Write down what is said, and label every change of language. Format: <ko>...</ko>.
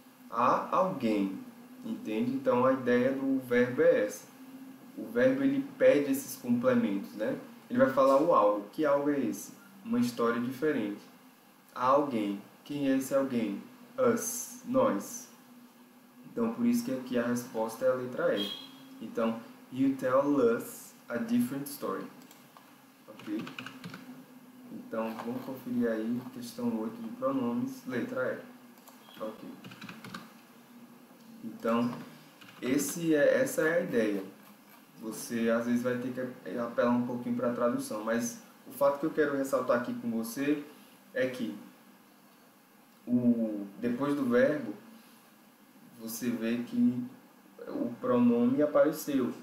<pt>A alguém, entende? Então, a ideia do verbo é essa. O verbo ele pede esses complementos, né? Ele vai falar o algo. Que algo é esse? Uma história diferente. A alguém. Quem é esse alguém? Us. Nós. Então, por isso que aqui a resposta é a letra E.</pt> <en>Então, you tell us a different story.</en> <pt>Ok? Então, vamos conferir aí questão 8 de pronomes, letra E. Ok. Então, essa é a ideia. Você, às vezes, vai ter que apelar um pouquinho para a tradução, mas o fato que eu quero ressaltar aqui com você é que depois do verbo, você vê que o pronome apareceu.</pt>